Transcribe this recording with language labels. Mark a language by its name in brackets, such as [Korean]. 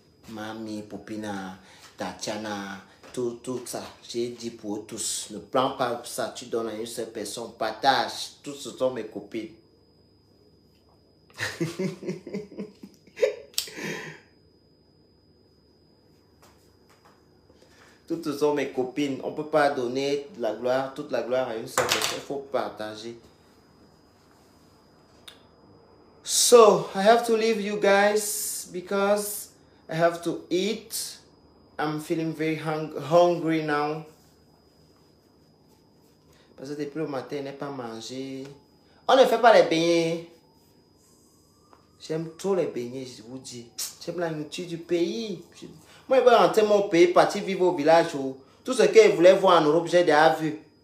[French] Mamie, Popina, Tatiana, tout ça, j'ai dit pour eux tous, ne prends pas ça, tu donnes à une seule personne, partage, tous ce sont mes copines. Toutes sont mes copines. On ne peut pas donner la gloire, toute la gloire à une seule personne. Il faut partager. [English] So, I have to leave you guys because I have to eat. I'm feeling very hungry now. [French] Parce que depuis le matin, je n'ai pas mangé. On ne fait pas les beignets. J'aime trop les beignets, je vous dis. J'aime la nourriture du pays. Moi, je vais rentrer mon pays, partir vivre au village. Tout ce qu'ils voulaient voir en Europe, j'ai déjà vu.